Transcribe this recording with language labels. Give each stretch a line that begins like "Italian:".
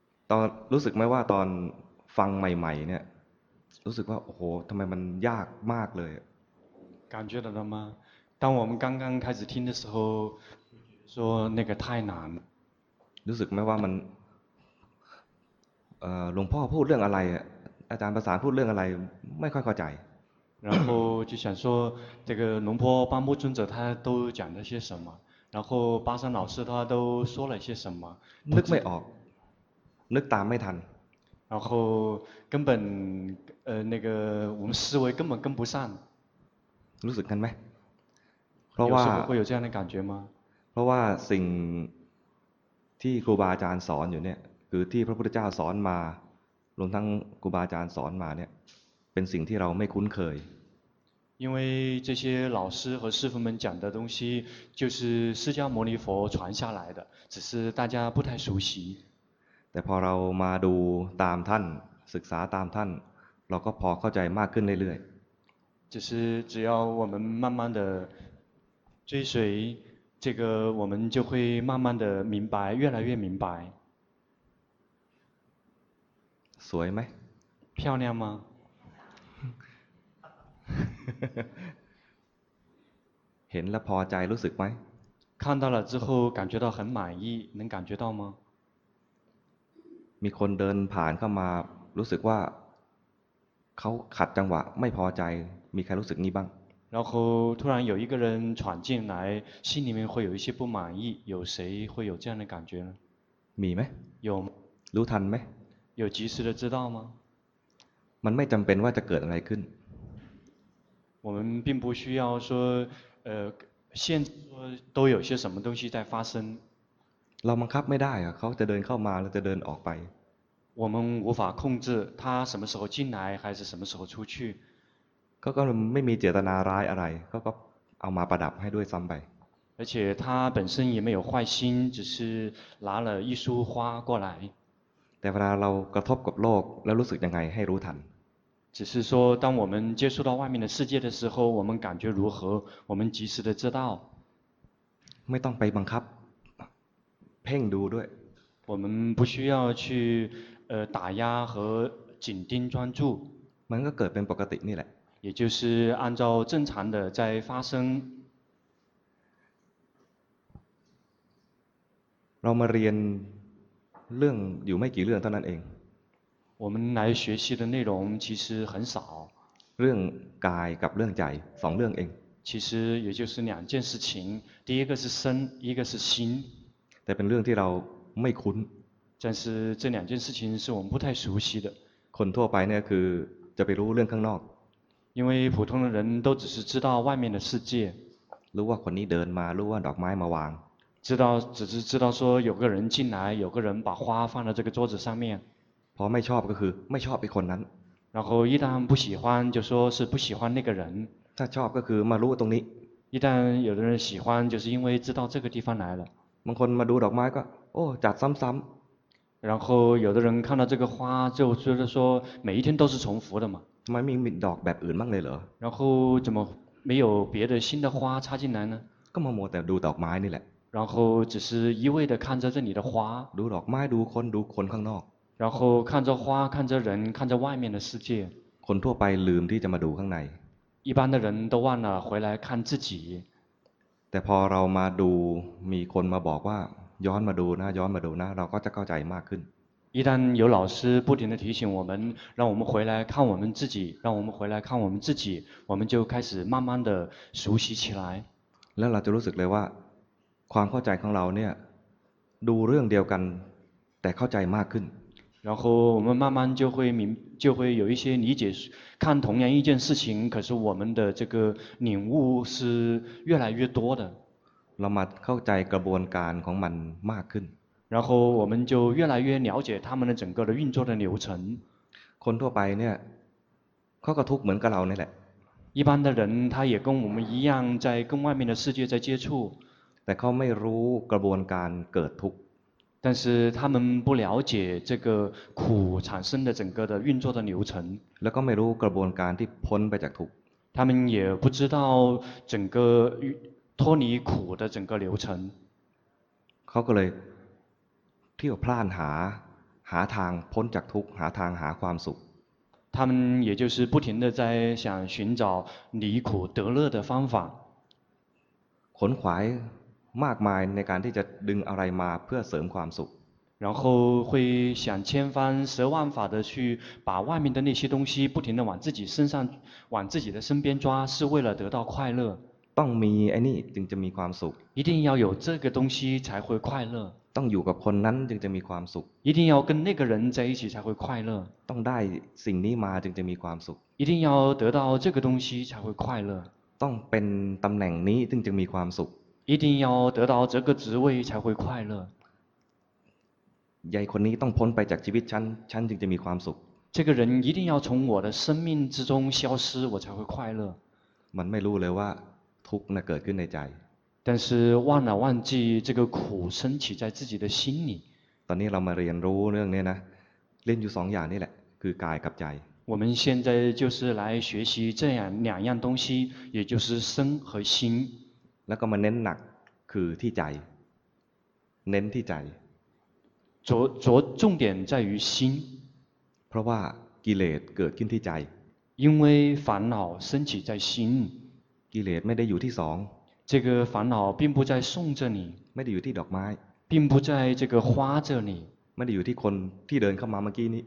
Thai: ตอนรู้สึกไหมว่าตอนฟังใหม่ๆเนี่ยรู้สึกว่าโอ้โหทำไมมันยากมากเลย
Chinese: 感觉到了吗当我们刚刚开始听的时候说那个太难
Thai: รู้สึกไหมว่ามันหลวงพ่อพูดเรื่องอะไรอาจารย์ประสานพูดเรื่องอะไรไม่ค่อยเข้าใจ
Chinese: 然后就想说这个龙坡八木尊者他都讲了些什么然后巴山老师他都说了些什么
Thai: นึกไม่ออกนึกตามไม่ทัน
Chinese: 然后根本那个我们思维根本跟不上
Thai: รู้สึกกันไหม เพราะว่า
Chinese: 会有这样的感觉吗
Thai: เพราะว่าสิ่งที่ครูบาอาจารย์สอนอยู่เนี่ยคือที่พระพุทธเจ้าสอนมารวมทั้งครูบาอาจารย์สอนมาเนี่ยเป็นสิ่งที่เราไม่คุ้นเคย
Chinese: 因为这些老师和师父们讲的东西就是释迦牟尼佛传下来的只是大家不太熟悉
Thai: แต่พอเรามาดูตามท่านศึกษาตามท่านเราก็พอเข้าใจมากขึ้นเรื่อย
Chinese: ๆ就是只要我们慢慢的追随这个我们就会慢慢的明白越来越明白
Thai: สวยไหม
Chinese: 漂亮吗
Thai: เห็นแล้วพอใจรู้สึกไหม
Chinese: 看到了之后感觉到很满意能感觉到吗
Thai: มีคนเดินผ่านเข้ามารู้สึกว่าเขาขัดจังหวะไม่พอใจมีใครรู้สึกนี้บ้าง
Chinese: 然后突然有一个人闯进来心里面会有一些不满意有谁会有这样的感觉呢
Thai: มีไหม
Chinese: 有
Thai: รู้ทันไหม
Chinese: 有及时的知道吗
Thai: มันไม่จำเป็นว่าจะเกิดอะไรขึ้น
Chinese: 我们并不需要说现在都有些什么东西在发生
Thai: เราบังคับไม่ได้อะเขาจะเดินเข้ามาเราจะเดินออกไป
Chinese: 我们无法控制他什么时候进来还是什么时候出去
Thai: เขาก็ไม่มีเจตนาร้ายอะไรเขาก็เอามาประดับให้ด้วยซ้ำไป
Chinese: 而且他本身也没有坏心只是拿了一束花过来
Thai: แต่เวลาเรากระทบกับโลกแล้วรู้สึกยังไงให้รู้ทัน
Chinese: 只是说当我们接触到外面的世界的时候我们感觉如何我们及时的知道
Thai: ไม่ต้องไปบังคับเพ่งดูด้วย
Chinese: 我们不需要去打压和紧盯专注
Thai: มันก็เกิดเป็นปกตินี่แหละ
Chinese: 也就是按照正常的在发生
Thai: เรามาเรียนเรื่องอยู่ไม่กี่เรื่องเท่านั้นเอง
Chinese: 我们来学习的内容其实很少
Thai: เรื่องกายกับเรื่องใจสองเรื่องเอง
Chinese: 其实也就是两件事情第一个是身一个是心
Thai: แต่เป็นเรื่องที่เราไม่คุ้น
Chinese: 但是这两件事情是我们不太熟悉的
Thai: คนทั่วไปเนี่ยคือจะไปรู้เรื่องข้างนอก
Chinese: 因为普通的人都只是知道外面的世界
Thai: รู้ว่าคนนี้เดินมารู้ว่าดอกไม้มาวาง
Chinese: 知道只是知道说有个人进来有个人把花放在这个桌子上面
Thai: พอไม่ชอบก็คือไม่ชอบไอ้คนนั้น
Chinese: 然后一旦不喜欢就说是不喜欢那个人
Thai: ถ้าชอบก็คือมารู้ตรงนี้
Chinese: 一旦有的人喜欢就是因为知道这个地方来了
Thai: บางคนมาดูดอกไม้ก็โอ้จัดซ้ำ
Chinese: ๆ然后有的人看到这个花就觉得说每一天都是重复的嘛
Thai: ทำไมมีดอกแบบอื่นบ้างเลยเหรอ
Chinese: 然后怎么没有别的新的花插进来呢
Thai: ก็มัวแต่ดูดอกไม้นี่แหละ
Chinese: 然后只是一味的看着这里的花
Thai: ดูดอกไม้ดูคนดูคนข้างนอก
Chinese: 然后看着花看着人看着外面的世界
Thai: คนทั่วไปลืมที่จะมาดูข้างใน
Chinese: 一般的人都忘了回来看自己
Thai: แต่พอเรามาดูมีคนมาบอกว่าย้อนมาดูนะย้อนมาดูนะเราก็จะเข้าใจมากขึ้น
Chinese: 一旦有老师不停地提醒我们让我们回来看我们自己让我们回来看我们自己我们就开始慢慢地熟悉起来
Thai: แล้วเราจะรู้สึกเลยว่าความเข้าใจของเราเนี่ยดูเรื่องเดียวกันแต่เข้าใจมากขึ้น
Chinese: 然后我们慢慢就会明，就会有一些理解，看同样一件事情，可是我们的这个领悟是越来越多的。
Thai: เรามาเข้าใจกระบวนการของมันมากขึ้น。
Chinese: 然后我们就越来越了解他们的整个的运作的流程。
Thai: คนทั่วไปเนี่ยเขาก็ทุกข์เหมือนกับเราเนี่ยแหละ。
Chinese: 一般的人他也跟我们一样，在跟外面的世界在接触。
Thai: แต่เขาไม่รู้กระบวนการเกิดทุกข์。
Chinese: 但是他们不了解这个苦产生的整个的运作的流程。
Thai: แล้วก็ไม่รู้กระบวนการที่พ้นไปจากทุกข์。
Chinese: 他们也不知道整个脱离苦的整个流程。
Thai: เขาก็เลยเที่ยวพล่านหาทางพ้นจากทุกข์หาทางหาความสุข。
Chinese: 他们也就是不停的在想寻找离苦得乐的方法。
Thai: ขนขวายมากมายในการที่จะดึงอะไรมาเพื่อเสริมความสุข
Chinese: 然后会想千方十万法的去把外面的那些东西不停的往自己身上往自己的身边抓是为了得到快乐
Thai: ต้องมีไอ้นี่จึงจะมีความสุข
Chinese: 一定要有这个东西才会快乐
Thai: ต้องอยู่กับคนนั้นจึงจะมีความสุข
Chinese: 一定要跟那个人在一起才会快乐
Thai: ต้องได้สิ่งนี้มาจึงจะมีความสุข
Chinese: 一定要得到这个东西才会快乐
Thai: ต้องเป็นตำแหน่งนี้จึงจะมีความสุข
Chinese: 一定要得到这个职位才会快乐。
Thai: ยายคนนี้ต้องพ้นไปจากชีวิตฉันจึงจะมีความสุข。
Chinese: 这个人一定要从我的生命之中消失，我才会快乐。
Thai: มันไม่รู้เลยว่าทุกข์น่ะเกิดขึ้นในใจ。
Chinese: 但是忘了忘记这个苦升起在自己的心里。
Thai: ตอนนี้เรามาเรียนรู้เรื่องนี้นะเล่นอยู่สองอย่างนี่แหละคือกายกับใจ。
Chinese: 我们现在就是来学习这样两样东西，也就是身和心。
Thai: แล้วก็มาเน้นหนักคือที่ใจเน้นที่ใจ
Chinese: 着重点在于心
Thai: เพราะว่ากิเลสเกิดขึ้นที่ใจ
Chinese: 因为烦恼升起在心
Thai: กิเลสไม่ได้อยู่ที่สอง
Chinese: 这个烦恼并不在送着你
Thai: ไม่ได้อยู่ที่ดอกไม้
Chinese: 并不在这个花着你
Thai: ไม่ได้อยู่ที่คนที่เดินเข้ามาเมื่อกี้นี